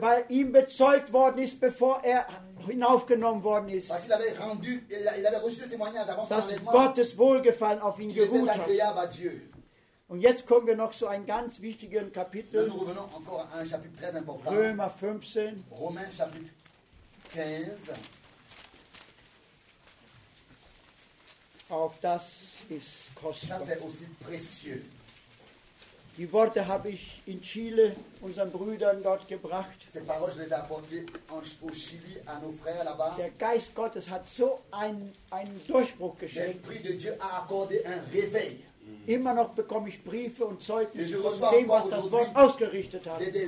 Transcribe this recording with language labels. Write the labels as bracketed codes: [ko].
[de] Weil ihm bezeugt worden ist, bevor er hinaufgenommen worden ist. [fr] Parce qu'il avait rendu, il avait reçu le témoignage avant son enlèvement. [de] Dass Gottes Wohlgefallen auf ihn geruht hat. Und jetzt kommen wir noch zu einem ganz wichtigen Kapitel. [fr] Nous revenons encore à un chapitre très important. [de] Römer 15. [fr] Romains chapitre 15. [de] Auch das ist kostbar. Das ist auch [fr] précieux. [de] Die Worte habe ich in Chile unseren Brüdern dort gebracht. [fr] Ces paroles, je les ai apportées en, au Chili, à nos frères là-bas. [de] Der Geist Gottes hat so einen Durchbruch geschenkt. [fr] L'Esprit de Dieu a accordé un réveil. [de] Immer noch bekomme ich Briefe und Zeugnisse von dem, was das Wort ausgerichtet hat.